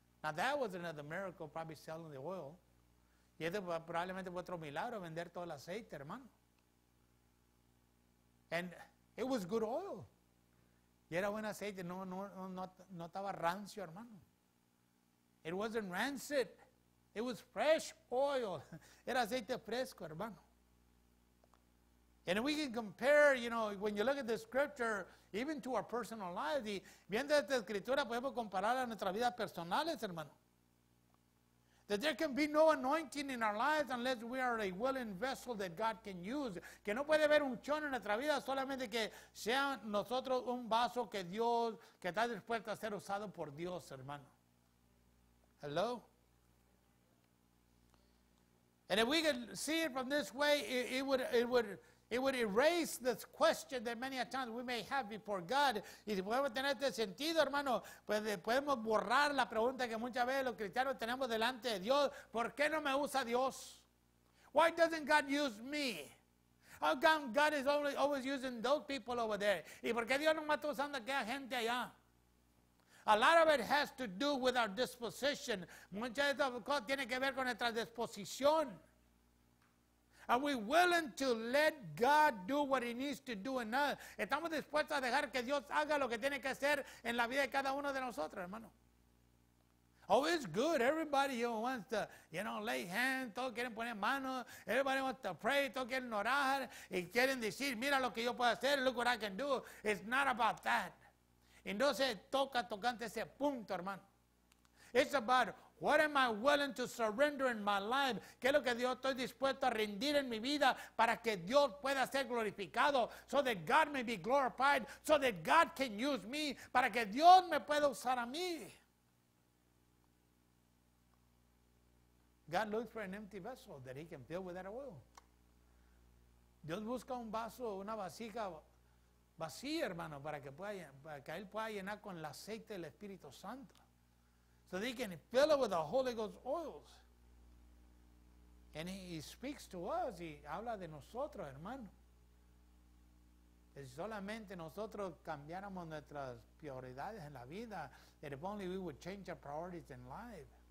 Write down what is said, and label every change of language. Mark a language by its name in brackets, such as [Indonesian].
[English] Now that was another miracle, probably selling the oil. [Spanish] Y este probablemente fue otro milagro, vender todo el aceite, hermano. [English] And it was good oil. [Spanish] Y era buen aceite, no estaba rancio, hermano. [English] It wasn't rancid. It was fresh oil. [Spanish] Era aceite fresco, hermano. [English] And we can compare, you know, when you look at the scripture, even to our personal lives. [Spanish] Y viendo esta escritura, podemos comparar a nuestras vidas personales, hermano. [English] That there can be no anointing in our lives unless we are a willing vessel that God can use. [Spanish] Que no puede haber unción en nuestra vida solamente que sea nosotros un vaso que Dios, que está dispuesto a ser usado por Dios, hermano. [English] Hello? And if we could see it from this way, it would erase this question that many a times we may have before God. [Spanish] Y si podemos tener este sentido, hermano, pues podemos borrar la pregunta que muchas veces los cristianos tenemos delante de Dios. ¿Por qué no me usa Dios? [English] Why doesn't God use me? How come God is always using those people over there? [Spanish] ¿Y por qué Dios no está usando a aquella gente allá? [English] A lot of it has to do with our disposition. [Spanish] Muchas de estas cosas tienen que ver con nuestra disposición. [English] Are we willing to let God do what he needs to do in us? [Spanish] ¿Estamos dispuestos a dejar que Dios haga lo que tiene que hacer en la vida de cada uno de nosotros, hermano? [English] Oh, it's good. Everybody wants to, you know, lay hands. [Spanish] Todos quieren poner manos. [English] Everybody wants to pray. [Spanish] Todos quieren orar. Y quieren decir, mira lo que yo puedo hacer. [English] Look what I can do. It's not about that. [Spanish] Y no se toca tocante ese punto, hermano. [English] It's about what am I willing to surrender in my life? [Spanish] ¿Qué es lo que Dios estoy dispuesto a rendir en mi vida para que Dios pueda ser glorificado? [English] So that God may be glorified, so that God can use me, [Spanish] para que Dios me pueda usar a mí. [English] God looks for an empty vessel that he can fill with that oil. [Spanish] Dios busca un vaso, una vasija vacía, hermano, para que él pueda llenar con el aceite del Espíritu Santo. [English] So they can fill it with the Holy Ghost oils. And he speaks to us. [Spanish] Y habla de nosotros, hermano. Que si solamente nosotros cambiáramos nuestras prioridades en la vida, [English] that if only we would change our priorities in life.